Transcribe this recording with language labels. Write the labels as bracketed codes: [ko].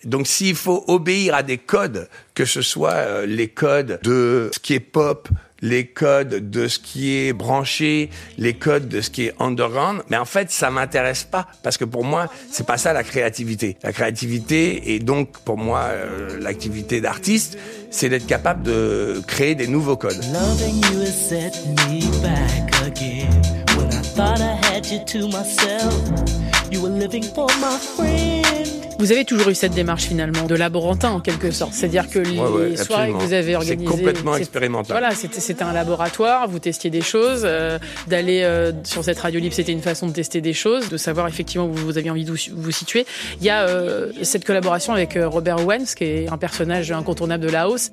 [fr] Donc, s'il faut obéir à des codes, que ce soit les codes de ce qui est pop, les codes de ce qui est branché, les codes de ce qui est underground, mais en fait, ça m'intéresse pas, parce que pour moi, c'est pas ça la créativité. La créativité, et donc pour moi, l'activité d'artiste, c'est d'être capable de créer des nouveaux codes. [en] Loving you has set me back again. When I thought I had you to myself, you were living for my friend. [fr] Vous avez toujours eu cette démarche finalement de laborantin en quelque sorte, c'est-à-dire que les soirées que vous avez organisées, c'est complètement expérimental. Voilà, c'était un laboratoire, vous testiez des choses, d'aller sur cette radio libre, c'était une façon de tester des choses, de savoir effectivement où vous aviez envie de vous situer. Il y a cette collaboration avec Robert Owens, qui est un personnage incontournable de la house.